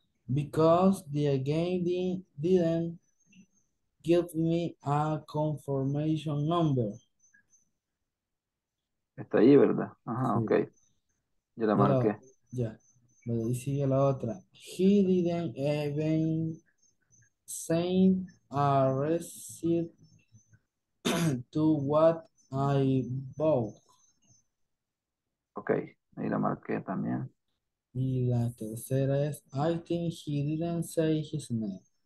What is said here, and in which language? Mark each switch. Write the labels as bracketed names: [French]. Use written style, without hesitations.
[English] Because the game didn't give me a confirmation number. [Spanish] Está ahí, ¿verdad? Ajá, sí. Ok. Yo la marqué. Ya. Bueno, y sigue la otra. [English] He didn't even say a receipt to what I bought. [Spanish] Ok, ahí la marqué también. Y la tercera es, [English] I think he didn't say his name.